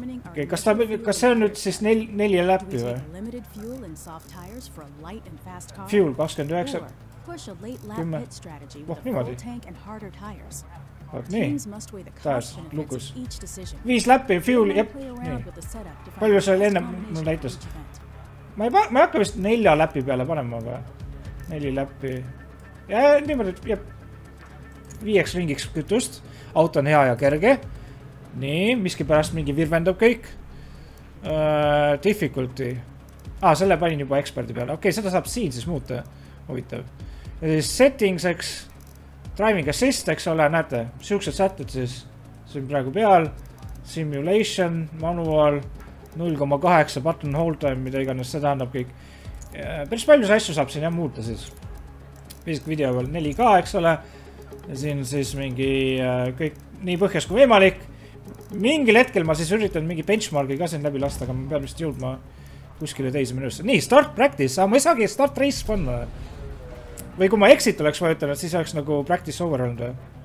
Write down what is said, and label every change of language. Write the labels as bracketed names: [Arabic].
[Estonian] Okei, kas see on nüüd siis nelja läpi või? [English] Fuel 29. Push a late lap pit strategy with a full tank and harder tires. Teams must weigh the cost and effects of each decision. [Estonian] Viis läpi, fuel, jep. Palju see oli enne mul näitas. Ma ei hakka vist nelja läpi peale panema, aga neli läpi. Ja niimoodi, jep. Viieks ringiks kütust. Auto on hea ja kerge. Nii, miski pärast mingi virvendab kõik. Difficulty. Ah, selle panin juba eksperti peale. Okei, seda saab siin siis muuta. Huvitav. Ja siis settingseks, driving assistseks ole, näete, siuksed sätted siis, siin praegu peal, simulation, manual, 0,8 button hold time, mida iganes see tähendab kõik. Päris palju asju saab siin muuta siis. Viisik video peal 4K, eks ole. Ja siin siis mingi kõik nii põhjas kui võimalik. Mingil hetkel ma siis üritan mingi benchmarki ka siin läbi lasta, aga ma pean vist jõudma kuskile teise menüüsse. Nii, start practice, aga ma ei saagi start race panna. Või kui ma exit oleks vajutanud, et siis oleks nagu practice over olnud.